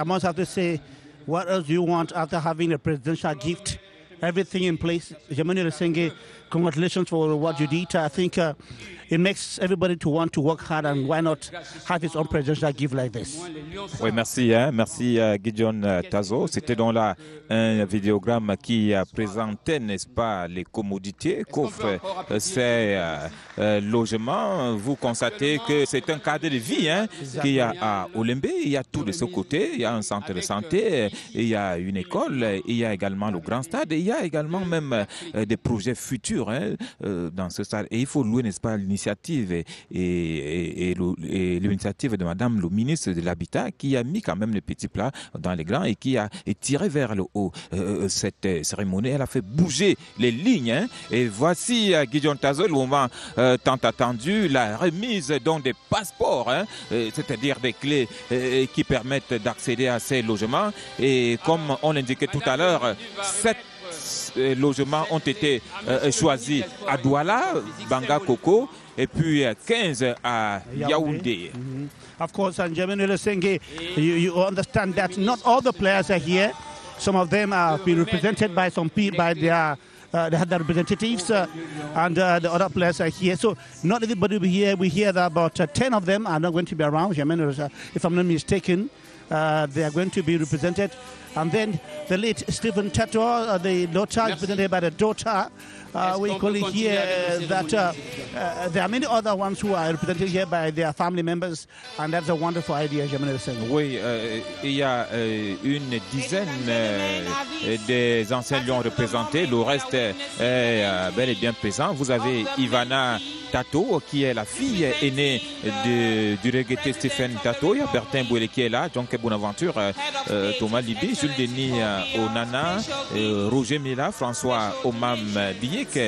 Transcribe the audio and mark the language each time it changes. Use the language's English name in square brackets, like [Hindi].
[English] I must have to say, what else do you want after having a presidential gift? Everything in place. Germany Lesenge, congratulations for what you did. I think it makes everybody to want to work hard, and why not have his own presidential gift like this? [French] Oui, merci. Hein? Merci, Gideon Tazo. C'était donc là un vidéogramme qui présentait, n'est-ce pas, les commodités qu'offrent ces logements. Vous constatez que c'est un cadre de vie hein, qu'il y a à Olembe. Il y a tout de ce côté. Il y a un centre de santé, il y a une école, il y a également le grand stade, il y a également même des projets futurs hein, dans ce stade. Et il faut louer, n'est-ce pas, l'initiative et l'initiative de Madame le ministre de l'Habitat qui a mis quand même le petit plat dans les grands et qui a tiré vers le haut cette cérémonie. Elle a fait bouger les lignes. Hein. Et voici Gideon Tazo, le moment tant attendu, la remise donc des passeports, hein, c'est-à-dire des clés qui permettent d'accéder à ces logements. Et comme on l'indiquait tout à l'heure, cette logements ont été choisis à Douala, Banga Koko, et puis 15 à Yaoundé. Mm-hmm. [English] Of course, and Germaine Lesenge, you understand that not all the players are here. Some of them have been represented by some people, by their representatives, and the other players are here. So not everybody will be here. We hear that about 10 of them are not going to be around. Germaine, if I'm not mistaken, they are going to be represented. And then the late Stephen Tatoa, the daughter, represented by the daughter. We call it here that there are many other ones who are represented here by their family members, and that's a wonderful idea, Germaine Lesenge. [French] Oui, il y a une dizaine des anciens lions représentés. Le reste est bel et bien présent. Vous avez Ivana Tato, qui est la fille aînée du regretté Stephen Tato. Il y a Bertin Bouélé qui est là, Jonke Bonaventure, Thomas Libi, Jules Denis Onana, Roger Mila, François Omam Billet.